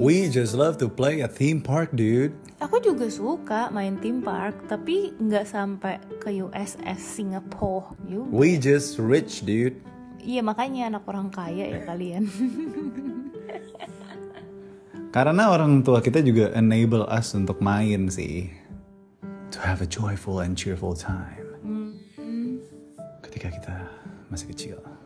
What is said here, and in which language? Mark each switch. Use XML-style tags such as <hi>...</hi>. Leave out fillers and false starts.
<en>We just love to play at theme park, dude.</en> <id>Aku juga suka main theme park, tapi gak sampai ke USS Singapore juga.</id> <en>We just rich, dude.</en> <id>Iya, makanya anak orang kaya ya kalian. Karena orang tua kita juga</id> <en>enable us</en> <id>untuk main sih.</id> <en>To have a joyful and cheerful time. Mm-hmm.</en> <id>Ketika kita masih kecil.</id>